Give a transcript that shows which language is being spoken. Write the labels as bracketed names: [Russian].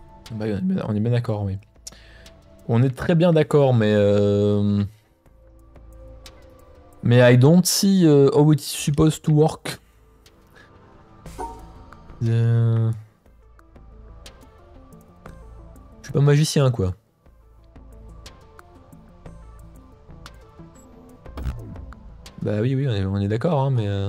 [French] Bah, on est bien d'accord, oui. On est très bien d'accord, mais... [English] Mais I don't see how it's supposed to work. [French] Je suis pas magicien, quoi. Bah oui, on est d'accord, hein, mais...